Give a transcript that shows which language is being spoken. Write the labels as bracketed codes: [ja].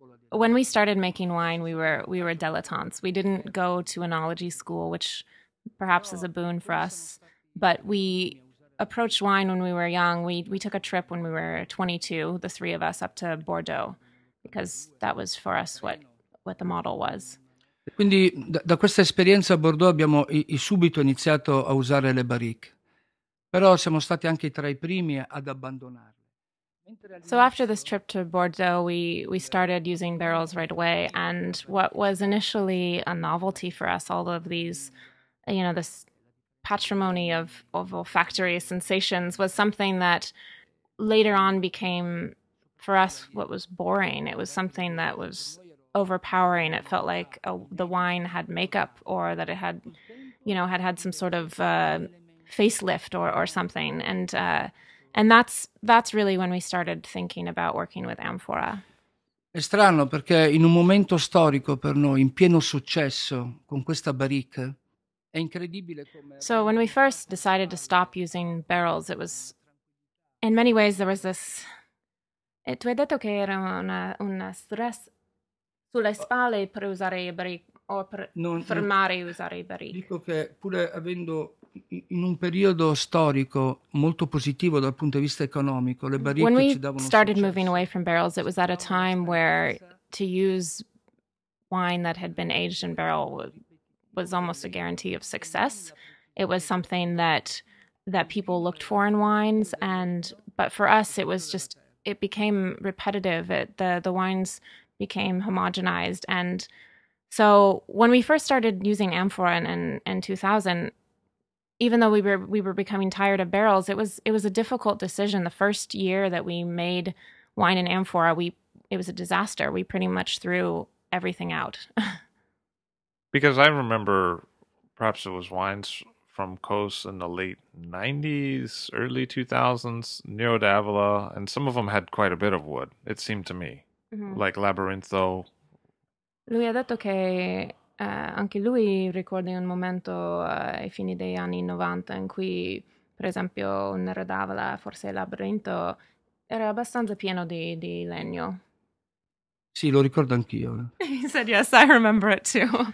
[en] When we started making wine, we were dilettantes. We didn't go to enology school, which perhaps is a boon for us. But we approached wine when we were young. We took a trip when we were 22, the three of us, up to Bordeaux, because that was for us what the model was. [it] Quindi da questa esperienza a Bordeaux abbiamo subito iniziato a usare le barrique. Però siamo stati anche tra I primi ad abbandonare. [en] So after this trip to Bordeaux, we started using barrels right away. And what was initially a novelty for us, all of these, you know, this patrimony of olfactory sensations was something that later on became, for us, what was boring. It was something that was overpowering. It felt like the wine had makeup or that it had, you know, had some sort of facelift or something. And that's really when we started thinking about working with amphora. [it] È strano perché in un momento storico per noi, in pieno successo con questa barrique, è incredibile come. [en] So when we first decided to stop using barrels, it was in many ways there was this. [it] E tu hai detto che era una stress sulle spalle per usare I barrique o per non, fermare non, usare I barrique. Dico che pure avendo in un periodo storico molto positivo dal punto di vista economico, le barrique ci davano [en] When we started success. Moving away from barrels, it was at a time where to use wine that had been aged in barrel was almost a guarantee of success. It was something that people looked for in wines, but for us it was just, it became repetitive. The wines became homogenized. And so when we first started using amphora in 2000, even though we were becoming tired of barrels, it was a difficult decision. The first year that we made wine in amphora, it was a disaster. We pretty much threw everything out. Because I remember, perhaps it was wines from Coast in the late 90s, early 2000s, Nero d'Avola, and some of them had quite a bit of wood, it seemed to me. Mm-hmm. Like Labyrintho. [it] Lui ha detto che anche lui ricorda un momento ai fini degli anni 90 in cui, per esempio, un Nero d'Avola, forse Labyrintho, era abbastanza pieno di legno. Sì, lo ricordo anch'io. [en] He said, yes, I remember it too.